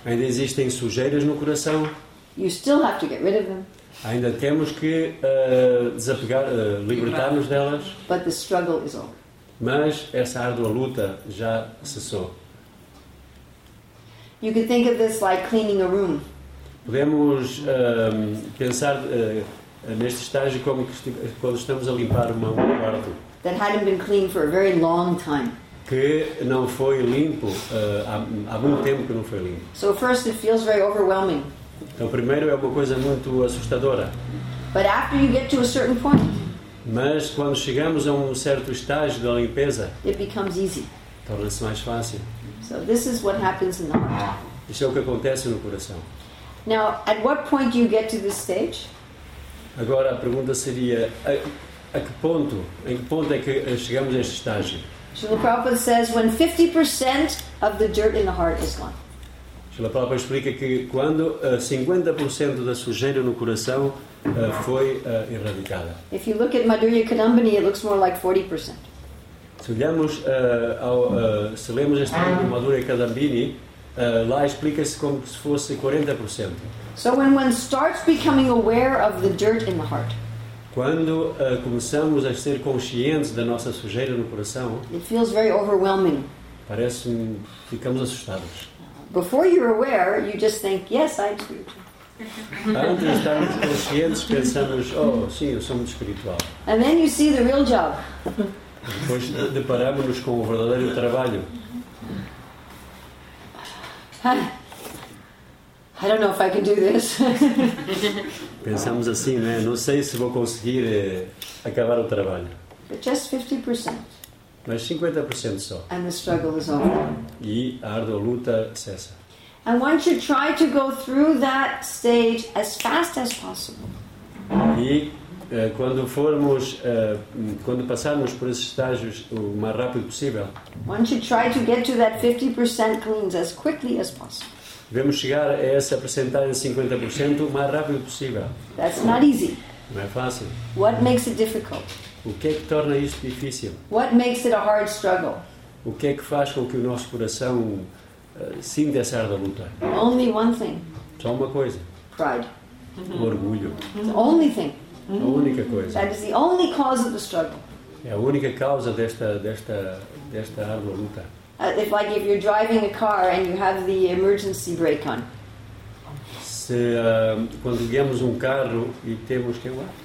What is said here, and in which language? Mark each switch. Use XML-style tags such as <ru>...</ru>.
<pt>Ainda existem sujeiras no coração.</pt> <en>You still have to get rid of them.</en> <pt>Ainda temos que desapegar, libertar-nos delas.</pt> <en>But the struggle is over.</en> <pt>Mas essa árdua luta já cessou.</pt> <en>You could think of this like cleaning a room.</en> <pt>Podemos pensar neste estágio como que quando estamos a limpar um quarto.</pt> <en>That hadn't been cleaned for a very long time.</en> <pt>Que não foi limpo há muito tempo que não foi limpo.</pt> <en>So first it feels very overwhelming.</en> <pt>Então primeiro é uma coisa muito assustadora.</pt> <en>But after you get to a certain point.</en> <pt>Mas quando chegamos a um certo estágio da limpeza.</pt> <en>It becomes easy.</en> <pt>Torna-se mais fácil.</pt> <en>So this is what happens in the heart.</en> <pt>Isso é o que acontece no coração.</pt> <en>Now, at what point do you get to this stage?</en> <pt>Agora a pergunta seria em que ponto é que chegamos a este estágio?</pt> <en>Srila Prabhupada says when 50% of the dirt in the heart is gone.</en> <pt>Srila Prabhupada explica que quando 50% da sujeira no coração foi erradicada.</pt> <en>If you look at Madhurya Kadambini, it looks more like 40%.</en> <pt>Se olhamos se lemos este livro de Madhurya Kadambini, lá explica-se como se fosse 40%.</pt> <en>So when one starts becoming aware of the dirt in the heart.</en> <pt>Quando começamos a ser conscientes da nossa sujeira no coração.</pt> <en>It feels very overwhelming.</en> <pt>Parece ficamos assustados.</pt> <en>Before you're aware, you just think, yes, I do.</en> <pt>Antes de estarmos conscientes, pensamos, oh, sim, eu sou muito espiritual.</pt> <en>And then you see the real job.</en> <pt>Depois deparamos-nos com o verdadeiro trabalho.</pt> <en>I don't know if I can do this.</en> <pt>Pensamos assim, né? Não sei se vou conseguir acabar o trabalho.</pt> <en>But just 50%.</en> <pt>Mas 50% só.</pt> <en>And the struggle is over.</en> <pt>E a árdua luta cessa.</pt> <en>And one should try to go through that stage as fast as possible.</en> <pt>E quando passarmos por esses estágios o mais rápido possível.</pt> <en>One should try to get to that 50% cleans as quickly as possible.</en> <pt>Devemos chegar a essa percentagem de 50% o mais rápido possível.</pt> <en>That's not easy.</en> <pt>Não é fácil.</pt> <en>What makes it difficult?</en> <pt>O que é que torna isso difícil?</pt> <en>What makes it a hard struggle?</en> <pt>O que é que faz com que o nosso coração sinta essa árdua luta?</pt> <en>Only one thing.</en> <pt>Só uma coisa.</pt> <en>Pride.</en> <pt>O orgulho.</pt> <en>It's the only thing.</en> <pt>A única coisa.</pt> <en>That is the only cause of the struggle.</en> <pt>É a única causa desta árdua luta.</pt> <en>If like if you're driving a car and you have the emergency brake on.</en> <pt>Se quando guiamos carro e temos que lá.</pt>